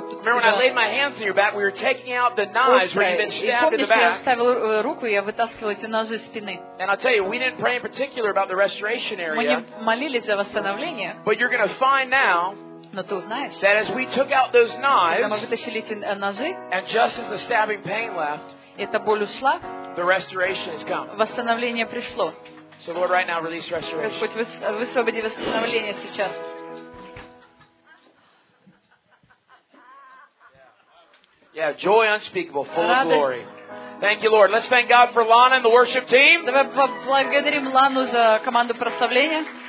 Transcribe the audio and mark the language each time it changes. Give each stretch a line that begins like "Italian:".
English: Remember when I laid my hands on your back? We were taking out the knives where you've been stabbed in the back.
Russian: И помнишь, я вставил руку, я вытаскивал эти ножи из спины.
English: And I'll tell you, we didn't pray in particular about the restoration area.
Russian: Мы не молились за восстановление.
English: But you're gonna find now.
Russian: Но ты узнаешь.
English: That as we took out those knives.
Russian: Когда мы вытащили эти ножи.
English: And just as the stabbing pain left.
Russian: Эта боль ушла.
English: The restoration has come.
Russian: Восстановление пришло.
English: So Lord, right now, release restoration.
Russian: Господь, высвободи восстановление сейчас.
English: Yeah, joy unspeakable, full of glory. Thank you, Lord. Let's thank God for Lana and the worship team.
Russian: Давай поблагодарим Лану за команду прославления.